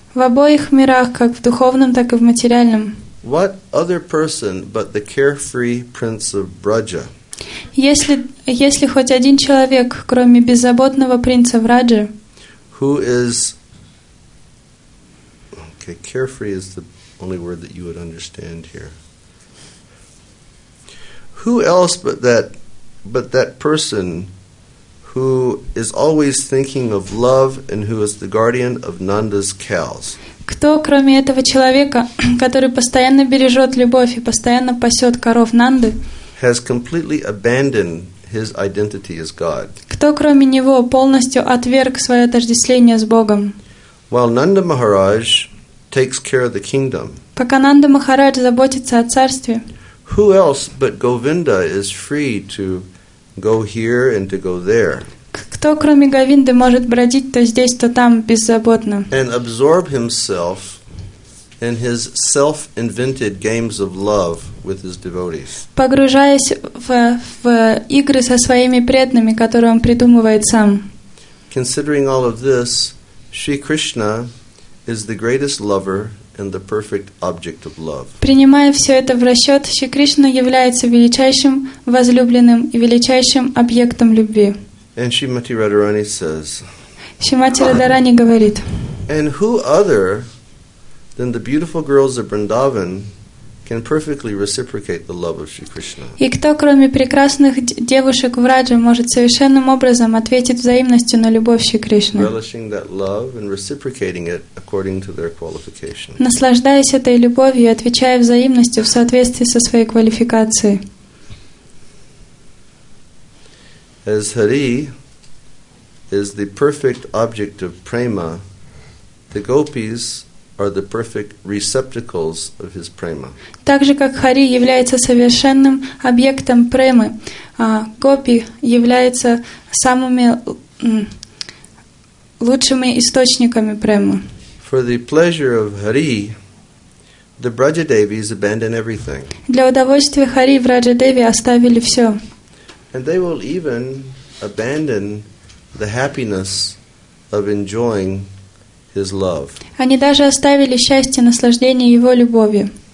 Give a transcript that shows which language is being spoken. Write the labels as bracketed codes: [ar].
[ru] в обоих мирах, как в духовном, так и в материальном, [en] what other person but the carefree prince of Braja? [ru] Если хоть один человек, кроме беззаботного принца Враджа, [en] who is okay, carefree is the only word that you would understand here. Who else but that person who is always thinking of love and who is the guardian of Nanda's cows? [ru] Кто, кроме этого человека, который постоянно бережет любовь и постоянно пасет коров Нанды, [en] has completely abandoned his identity as God? [ru] Кто кроме него полностью отверг своё отождествление с Богом? [en] While Nanda Maharaj takes care of the kingdom. [ru] Пока Нанда Махарадж заботится о царстве. [en] Who else but Govinda is free to go here and to go there? [ru] Кто кроме Говинды может бродить то здесь, то там беззаботно? [en] And absorb himself in his self-invented games of love with his devotees. [ru] Погружаясь в игры со своими преданными, которые он придумывает сам. [en] Considering all of this, Shri Krishna is the greatest lover and the perfect object of love. [ru] Принимая все это в расчет, Шри Кришна является величайшим возлюбленным и величайшим объектом любви. [en] And Shrimati Radharani says, [ru] Shrimati Radharani говорит, [en] and who other then the beautiful girls of Vrindavan can perfectly reciprocate the love of Shri Krishna. [ru] И кто, кроме прекрасных девушек Враджа, может совершенным образом ответить взаимностью на любовь Шри Кришны? [en] Relishing that love and reciprocating it according to their qualification. [ru] Наслаждаясь этой любовью, отвечая взаимностью в соответствии со своей квалификацией. [en] As Hari is the perfect object of prema, the gopis are the perfect receptacles of his prema. [ru] Так же как Хари является совершенным объектом премы, гопи являются самыми лучшими источниками премы. [en] For the pleasure of Hari, the Brajadevis abandon everything. [ru] Для удовольствия Хари Враджадеви оставили все. [en] And they will even abandon the happiness of enjoying His love. [ru] Они даже оставили счастье, наслаждение Его любовью.